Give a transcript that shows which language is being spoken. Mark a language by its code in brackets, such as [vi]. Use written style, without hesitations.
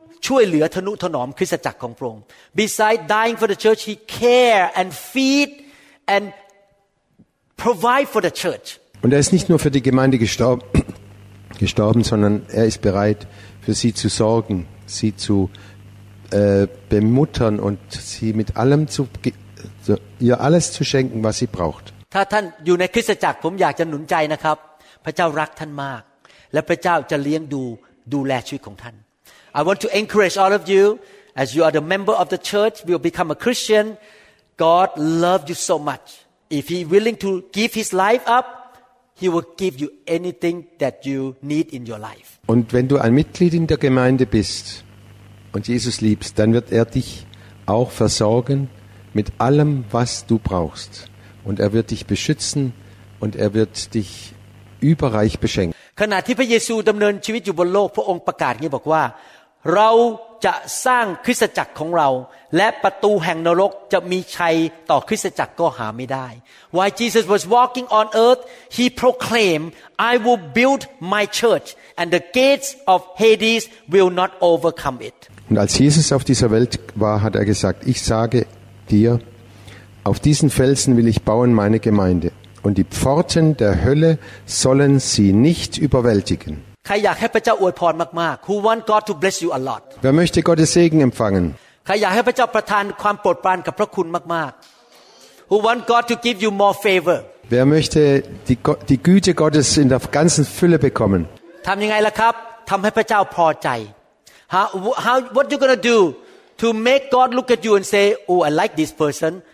[th] ช่วยเหลือทนุถนอมคริสตจักรของพระองค์ [en] Besides dying for the church, he care and feed andprovide for the church [de] und er ist nicht nur für die gemeinde gestorben sondern er ist bereit für sie zu sorgen sie zu bemuttern und sie mit allem zu ihr alles zu schenken was sie braucht [th] ถ้าท่านอยู่ในคริสตจักรผมอยากจะหนุนใจนะครับพระเจ้ารักท่านมากและพระเจ้าจะเลี้ยงดูแลชีวิตของท่าน [en] I want to encourage all of you as you are the member of the church you will become a christian god loves you so muchIf he willing to give his life up, he will give you anything that you need in your life. [de] Und wenn du ein Mitglied in der Gemeinde bist und Jesus liebst, dann wird er dich auch versorgen mit allem, was du brauchst. Und er wird dich beschützen und er wird dich überreich beschenken. [th] ขณะที่พระเยซูดำเนินชีวิตอยู่บนโลกพระองค์ประกาศงี้บอกว่าเราจะสร้างคริสตจักรของเราและประตูแห่งนรกจะมีชัยต่อคริสตจักรก็หาไม่ได้ [en] While Jesus was walking on earth he proclaimed I will build my church and the gates of Hades will not overcome it [de] Und als Jesus auf dieser Welt war hat er gesagt ich sage dir auf diesen Felsen will ich bauen meine Gemeinde und die Pforten der Hölle sollen sie nicht überwältigen [th] ใครอยากให้พระเจ้าอวยพรมากๆ [en] Who want God to bless you a lot? [de] Wer möchte Gottes Segen empfangen? [th] ใครอยากให้พระเจ้าประทานความโปรดปรานกับพระคุณมากๆ [en] Who want God to give you more favor? [de] Wer möchte die Güte Gottes in der ganzen Fülle bekommen? [th] ทำยังไงล่ะครับทำให้พระเจ้าพอใจ [en] How what you gonna do to make God look at you and say, "Oh, I like this person.